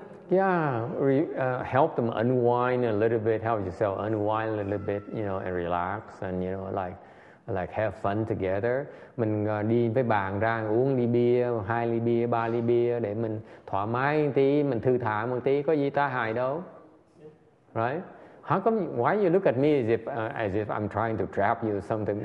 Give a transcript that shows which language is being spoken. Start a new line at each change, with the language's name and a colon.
English: Yeah, help them unwind a little bit, help yourself unwind a little bit, you know, and relax, and, you know, like have fun together.
Vietnamese: Mình đi với bạn ra uống ly bia, hai ly bia, ba ly bia, để mình thoải mái một tí, mình thư thả một tí, có gì ta hại đâu.
English: Yeah. Right? How come, why you look at me as if I'm trying to trap you or something?